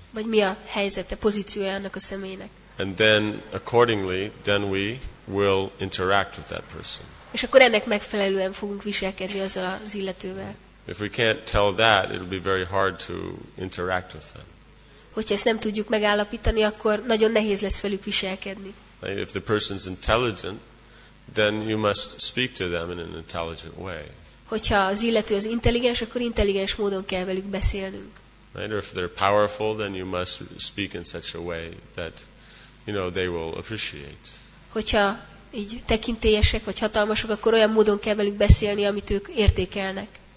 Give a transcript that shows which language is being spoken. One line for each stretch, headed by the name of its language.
Hungarian: Vagy mi a helyzete, pozíciója annak a személynek.
English: And then accordingly, then we will interact with that person.
Hungarian: És akkor ennek megfelelően fogunk viselkedni azzal az illetővel.
English: If we can't tell that, it'll be very hard to interact with them.
Hungarian: Hogyha ezt nem tudjuk megállapítani, akkor nagyon nehéz lesz velük viselkedni.
English: And if the person's intelligent, then you must speak to them in an intelligent way.
Hungarian: Hogyha az illető az intelligens, akkor intelligens módon kell velük beszélnünk.
English: Right? Or if they're powerful, then you must speak in such a way that, you know, they will appreciate.
Hungarian: Hogyha így tekintélyesek vagy hatalmasok, akkor olyan módon kell velük beszélni, amit ők értékelnek.